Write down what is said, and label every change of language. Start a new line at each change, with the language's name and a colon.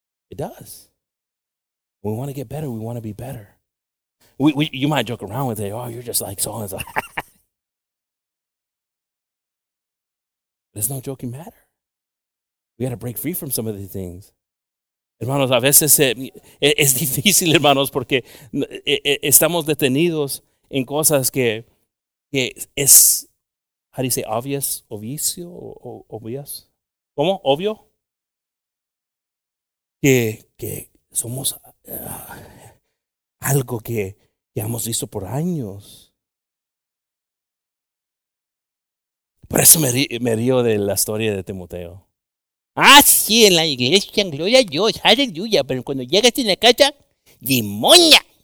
English: It does. We want to get better. We want to be better. We you might joke around with it. Oh, you're just like so-and-so. There's no joking matter. We got to break free from some of these things.
Spanish: Hermanos, a veces es difícil, hermanos, porque estamos detenidos en cosas que... Que es,
English: how do you say, obvious,
Spanish: obvio,
English: obvious?
Spanish: ¿Cómo? ¿Obvio? Que somos algo que hemos visto por años. Por eso me río de la historia de Timoteo. Ah, sí, en la iglesia, gloria a Dios, aleluya, pero cuando llegas en la casa, ¡demonia!